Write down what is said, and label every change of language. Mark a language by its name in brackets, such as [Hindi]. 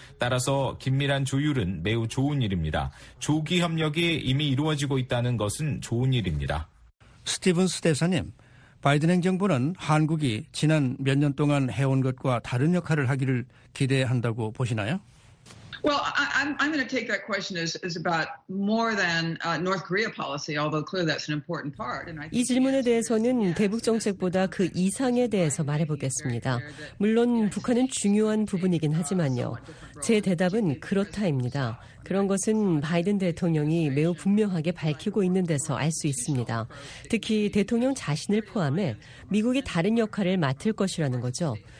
[Korean] 따라서 긴밀한 조율은 매우 좋은 일입니다. 조기 협력이 이미 이루어지고 있다는 것은 좋은 일입니다. 스티븐스 대사님, 바이든 행정부는 한국이 지난 몇 년 동안 해온 것과 다른 역할을 하기를 기대한다고 보시나요? [English] Well, I'm going to take that question as about more than North Korea policy, although clearly that's an important part. [Korean] 이 질문에 대해서는 대북 정책보다 그 이상에 대해서 말해보겠습니다. 물론 북한은 중요한 부분이긴 하지만요. 제 대답은 그렇다입니다. 그런 것은 바이든 대통령이 매우 분명하게 밝히고 있는 데서 알 수 있습니다. 특히 대통령 자신을 포함해 미국이 다른 역할을 맡을 것이라는 거죠.